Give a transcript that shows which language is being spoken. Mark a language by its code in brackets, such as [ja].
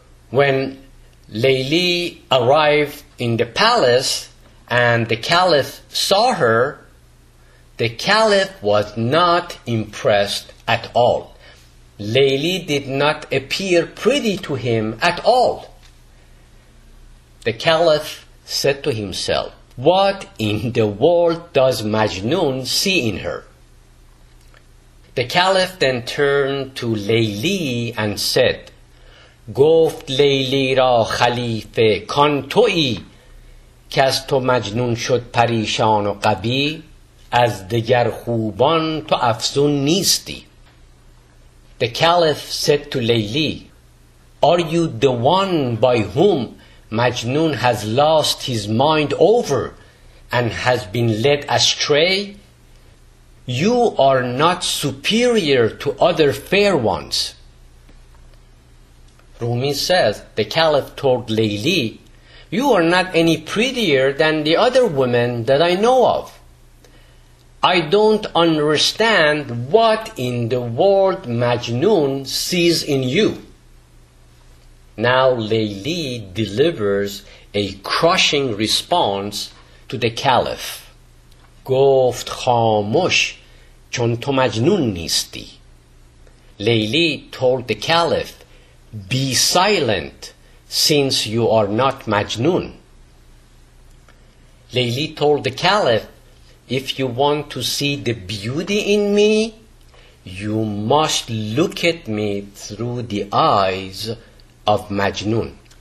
[en] When Layli arrived in the palace and the caliph saw her, the caliph was not impressed at all. Layli did not appear pretty to him at all. The caliph said to himself, "What in the world does Majnun see in her?" The caliph then turned to Layli and said, [fa] گفت لیلی را خلیفه کان تویی که از تو مجنون شد پریشان و قبی از دگر خوبان تو افزون نیستی. [en] The caliph said to Layli, Are you the one by whom Majnun has lost his mind over and has been led astray? You are not superior to other fair ones. Rumi says, the caliph told Layli, You are not any prettier than the other women that I know of. I don't understand what in the world Majnun sees in you. Now Layli delivers a crushing response to the caliph. [fa] گفت خاموش چون تو مجنون نیستی. [en] Layli told the caliph, Be silent, since you are not Majnun. Layli told the caliph, If you want to see the beauty in me, you must look at me through the eyes of Majnun.